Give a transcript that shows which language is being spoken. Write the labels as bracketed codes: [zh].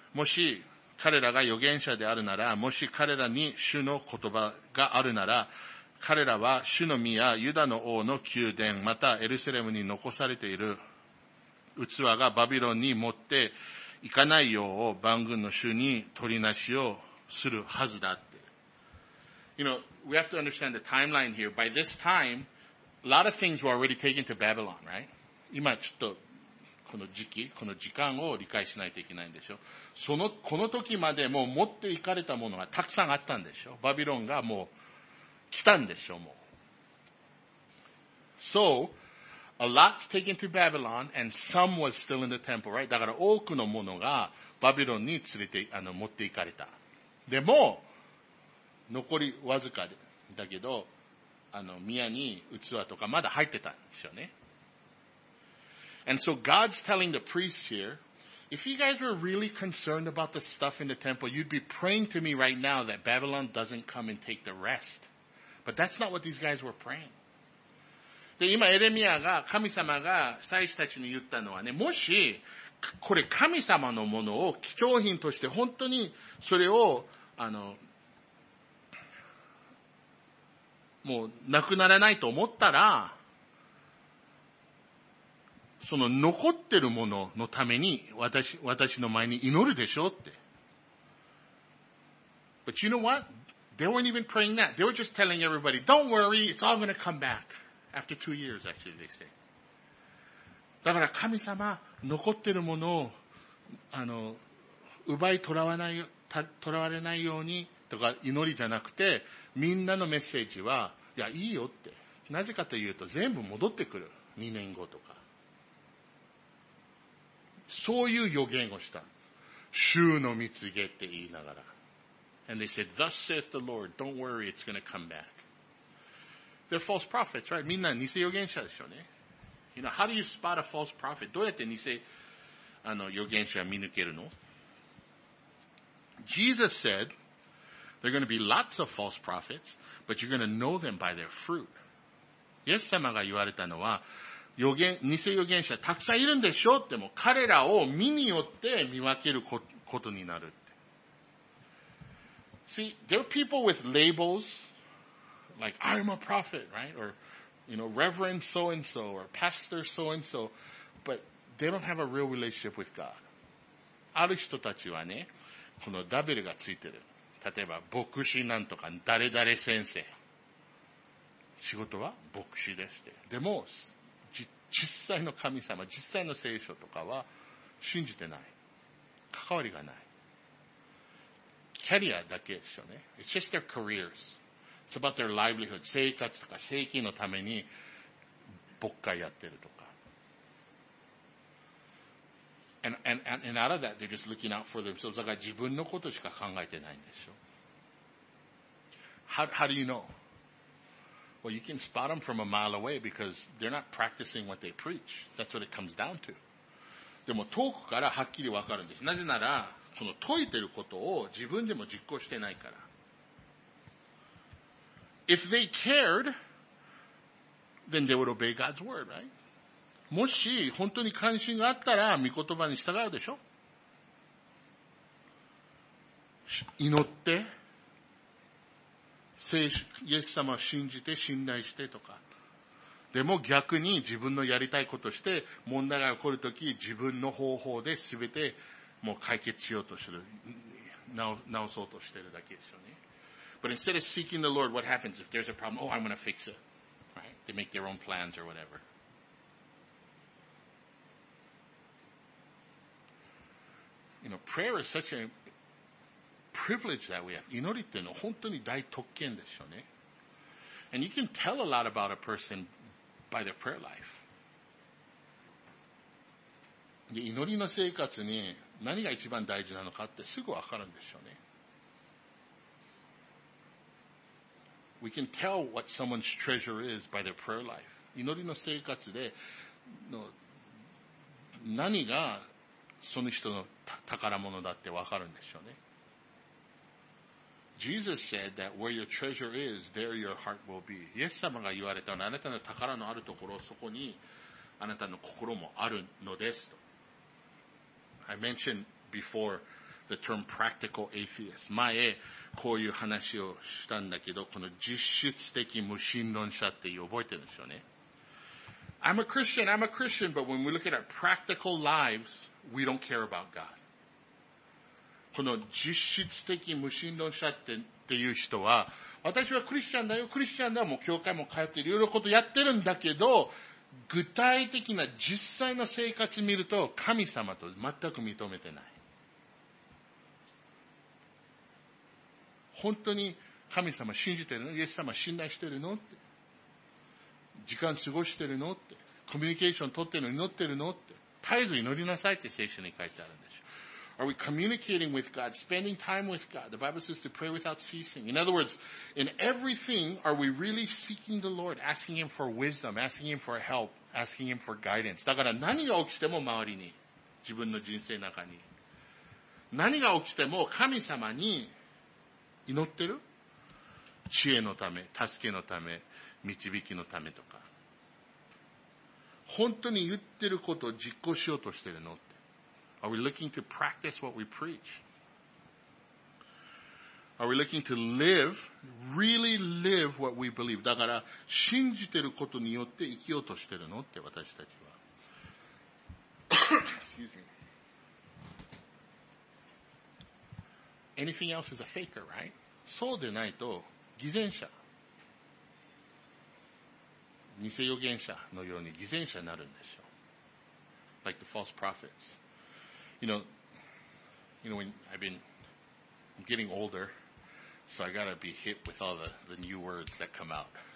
[ja] もし彼らが預言者であるなら、もし彼らに主の言葉があるなら、彼らは主の宮、ユダの王の宮殿、またエルサレムに残されている器がバビロンに持っていかないよう万軍の主に取りなしをするはずだ。 [en] You know, we have to understand the timeline here. By this time, a lot of things were already taken to Babylon, right? [ja] 今ちょっとこの時期、この時間を理解しないといけないんでしょ。その、この時までもう持っていかれたものがたくさんあったんでしょ。バビロンがもう来たんでしょ、もう。 [en] So, a lot's taken to Babylon and some was still in the temple, right? [ja] だから多くのものがバビロンに連れて、持っていかれた。でも、残りわずかだけど、宮に器とかまだ入ってたんでしょうね。 [en] And so God's telling the priests here, if you guys were really concerned about the stuff in the temple, you'd be praying to me right now that Babylon doesn't come and take the rest. But that's not what these guys were praying. [ja] で、今エレミアが、神様が祭司たちに言ったのはね、もし、これ神様のものを貴重品として本当にそれを、もう、なくならないと思ったら、その残ってるもののために、私の前に祈るでしょうって。 [en] But you know what? They weren't even praying that. They were just telling everybody, don't worry, it's all gonna come back. After 2 years, actually, they say. [ja] だから神様、残ってるものを、奪い取らわれないようにとか祈りじゃなくて、みんなのメッセージは、いや、いいよって。なぜかというと、全部戻ってくる。2年後とか。そういう予言をした。主の蜜月って言いながら。 [en] And they said, Thus saith the Lord, don't worry, it's going to come back. They're false prophets, right? [ja] みんな偽予言者でしょうね。 [en] You know, how do you spot a false prophet? [ja] どうやって偽、予言者を見抜けるの [en] ?Jesus said, there are going to be lots of false prophets. But you're going to know them by their fruit. [ja] イエス様が言われたのは、預言、偽預言者たくさんいるんでしょって、もう彼らを身によって見分けることになるって。 [en] See, there are people with labels, like I'm a prophet, right? Or, you know, Reverend so-and-so, or Pastor so-and-so, but they don't have a real relationship with God. [ja] ある人たちはね、このダベルがついてる。例えば、牧師なんとか、誰々先生。仕事は牧師ですって。でも、実際の神様、実際の聖書とかは信じてない。関わりがない。キャリアだけですよね。 [en] It's just their careers. It's about their livelihood. [ja] 生活とか、生計のために、牧会やってるとか。 [en] And out of that, they're just looking out for themselves. [ja] だから自分のことしか考えてないんでしょ。 [en] How do you know? Well, you can spot them from a mile away because they're not practicing what they preach. That's what it comes down to. [ja] でも遠くからはっきりわかるんです。なぜなら、その説いてることを自分でも実行してないから。 [en] If they cared, then they would obey God's word, right? [ja] もし本当に関心があったら御言葉に従うでしょ。祈って聖書、イエス様を信じて信頼してとか。でも逆に自分のやりたいことして問題が起こるとき自分の方法で全てもう解決しようとする、直そうとしてるだけですよね。 [en] But instead of seeking the Lord, what happens if there's a problem? Oh, I'm going to fix it, right? They make their own plans or whatever. You know, prayer is such a privilege that we have. [ja] 祈りっていうのは本当に大特権でしょうね。 [en] And you can tell a lot about a person by their prayer life. [ja] で、祈りの生活に何が一番大事なのかってすぐわかるんでしょうね。 [en] We can tell what someone's treasure is by their prayer life. [ja] 祈りの生活で、何がその人の宝物だってわかるんでしょうね。 [en] Jesus said that where your treasure is, there your heart will be. [ja] イエス様が言われたのは、あなたの宝のあるところ、そこにあなたの心もあるのですと。 [en] I mentioned before the term practical atheist. [ja] 前、こういう話をしたんだけど、この実質的無神論者っていう覚えてるんでしょうね。 [en] I'm a Christian, but when we look at our practical lives,We don't care about God. [ja] この実質的無神論者っていう人は、私はクリスチャンだよ、もう教会も通っている、いろいろことやってるんだけど、具体的な実際の生活見ると、神様と全く認めてない。本当に神様信じてるの？イエス様信頼してるの？って。時間過ごしてるの？って。コミュニケーション取ってるの？祈ってるの？って。絶えず祈りなさいって聖書に書いてあるんでしょ。 [en] Are we communicating with God, spending time with God? The Bible says to pray without ceasing. In other words, in everything, are we really seeking the Lord, asking Him for wisdom, asking Him for help, asking Him for guidance? [ja] だから何が起きても周りに、自分の人生の中に。何が起きても神様に祈ってる？知恵のため、助けのため、導きのためとか。本当に言ってることを実行しようとしてるのって。 [en] Are we looking to practice what we preach? Are we looking to live, really live what we believe? [ja] だから信じてることによって生きようとしてるのって、私たちは。 [en] Excuse me. Anything else is a faker, right? [ja] そうでないと偽善者。偽預言者のように偽善者になるんでしょう。 [en] Like the false prophets. You know, when I'm getting older, so I gotta be hip with all the new words that come out.